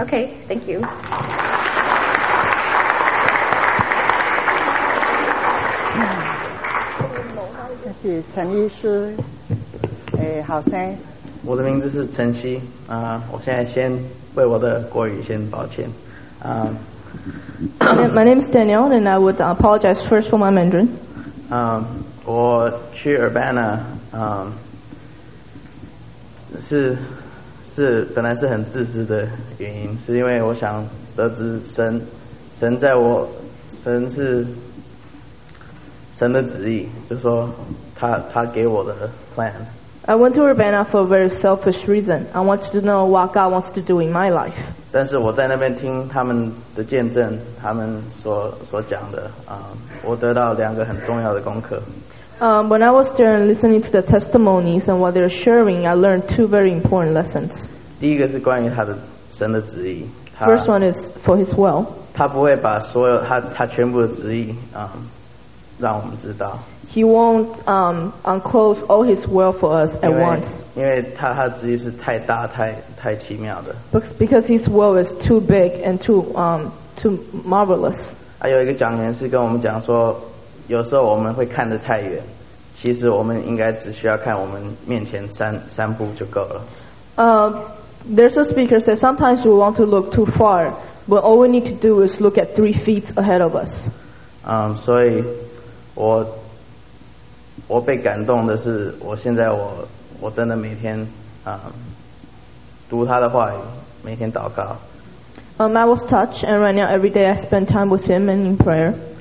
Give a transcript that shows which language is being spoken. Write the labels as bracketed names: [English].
[English] OK， thank you。 [Chinese] 陈医师，好声。我的名字是陈希，我现在先为我的国语先抱歉。 [English] My name is Daniel, and I would apologize first for my Mandarin. [Chinese] 我去 Urbana， 是本来是很自私的原因，是因为我想得知神的旨意，就说。他给我的 plan. [English] I went to Urbana for a very selfish reason. I want to know what God wants to do in my life. [Chinese] 但是我在那边听他们的见证，他们所讲的，我得到两个很重要的功课。 [English] When I was there and listening to the testimonies and what they're sharing, I learned two very important lessons. [Chinese] 第一个是关于他的神的旨意。 [English] First one is for His will. [Chinese] 他不会把所有他全部的旨意让我们知道。 [English] He won't unclose all his will for us at once. [Chinese] 因为他的旨意是太大太奇妙的。 [English] Because his will is too big and too marvelous. [Chinese] 还有一个讲员是跟我们讲说，有时候我们会看得太远，其实我们应该只需要看我们面前三步就够了。 [English] There's a speaker said sometimes we want to look too far, but all we need to do is look at 3 feet ahead of us. [Chinese] 所以我被感动的是，我现在我真的每天读他的话语，每天祷告。 [English] I was touched, and right now every day I spend time with him and in prayer.